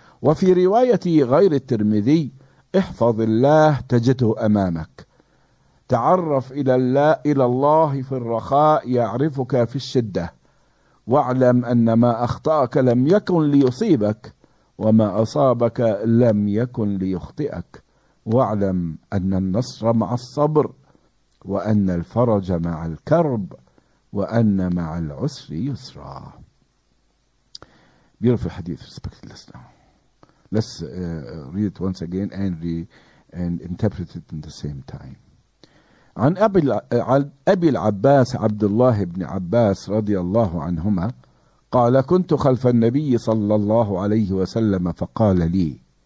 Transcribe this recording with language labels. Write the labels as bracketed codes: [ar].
[ar] وفي رواية غير الترمذي احفظ الله تجده أمامك، تعرف إلى الله في الرخاء يعرفك في الشدة، واعلم أن ما أخطأك لم يكن ليصيبك وما أصابك لم يكن ليخطئك، واعلم أن النصر مع الصبر وأن الفرج مع الكرب وأن مع العسر يسرا. [en] Beautiful hadith, respected listener. Let's read it once again and interpret it in the same time. [ar] عن أبي العباس عبد الله بن عباس رضي الله عنهما قال كنت خلف النبي صلى الله عليه وسلم فقال لي.